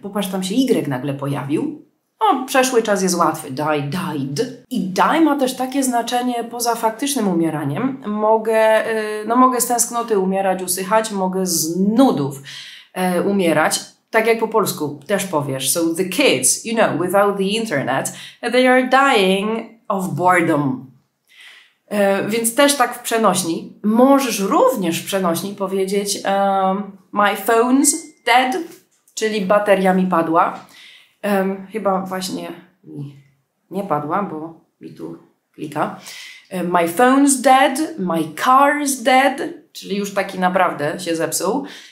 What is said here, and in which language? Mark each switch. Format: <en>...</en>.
<pl>Popatrz, tam się Y nagle pojawił. No, przeszły czas jest łatwy, die, died. I die ma też takie znaczenie poza faktycznym umieraniem. Mogę z tęsknoty umierać, usychać, mogę z nudów umierać. Tak jak po polsku też powiesz.</pl> <en>So the kids, you know, without the internet, they are dying of boredom.</en> <pl>Więc też tak w przenośni. Możesz również w przenośni powiedzieć</pl> <en>my phone's dead,</en> <pl>czyli bateria mi padła. Chyba właśnie nie padła, bo mi tu klika.</pl> <en>My phone's dead, my car's dead,</en> <pl>czyli już taki naprawdę się zepsuł.</pl>